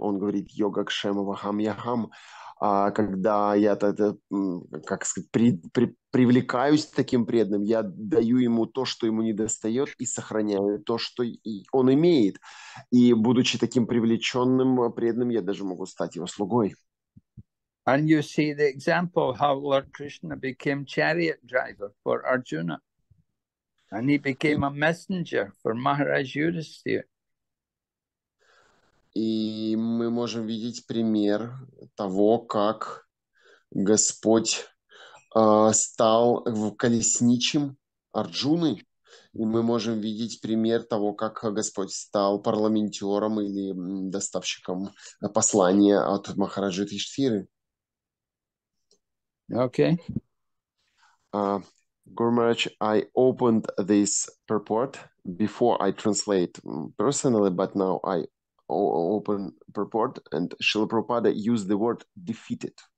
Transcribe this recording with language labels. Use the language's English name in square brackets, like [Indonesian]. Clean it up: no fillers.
[Russian] Он говорит [Sanskrit] «йога кшема вахам яхам», [Russian] когда я, как сказать, привлекаюсь таким преданным, я даю ему то, что ему недостает, и сохраняю то, что он имеет. И будучи таким привлеченным преданным, я даже могу стать его слугой. [English] And you see the example how Lord Krishna became chariot driver for Arjuna. And he became a messenger for Maharaj Yudhisthira. [Russian] И мы можем видеть пример того, как Господь стал колесничим Арджуны. И мы можем видеть пример того, как Господь стал парламентером или доставщиком послания от Махараджа Юдхиштхиры. [English] Okay. Gurmaraj, I opened this purport before I translate personally, but now I open purport and Srila Prabhupada used the word defeated.